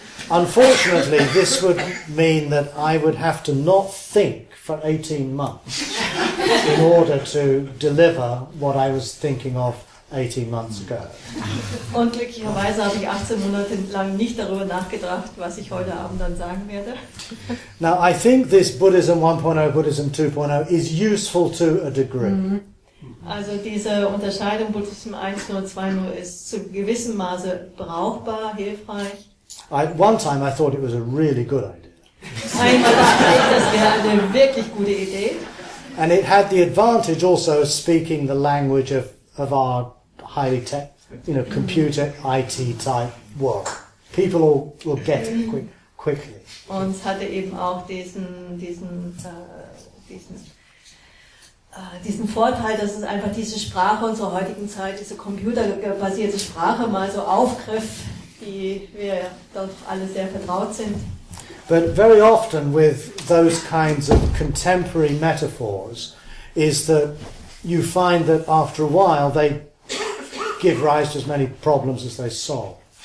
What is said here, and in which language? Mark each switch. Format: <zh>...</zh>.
<en>Unfortunately, this would mean that I would have to not think for 18 months in order to deliver what I was thinking of 18 months ago.</en> <de>Und glücklicherweise habe ich 18 Monate lang nicht darüber nachgedacht, was ich heute Abend dann sagen werde.</de> <en>Now, I think this Buddhism 1.0, Buddhism 2.0 is useful to a degree.</en> <de>Also diese Unterscheidung Buddhism 1.0 und 2.0 ist zu gewissem Maße brauchbar, hilfreich.</de> <en>One time I thought it was a really good idea.</en> <de>Einmal dachte ich, das wäre eine wirklich gute Idee.</de> <en>And it had the advantage also of speaking the language of our highly tech, you know, computer IT type work. People will get it quickly.</en> <de>Und hatte eben auch diesen Vorteil, dass es einfach diese Sprache unserer heutigen Zeit, diese computerbasierte Sprache mal so aufgriff, die wir dort alle sehr vertraut sind.</de> <en>But very often with those kinds of contemporary metaphors is that you find that after a while they give rise to as many problems as they solve.</en>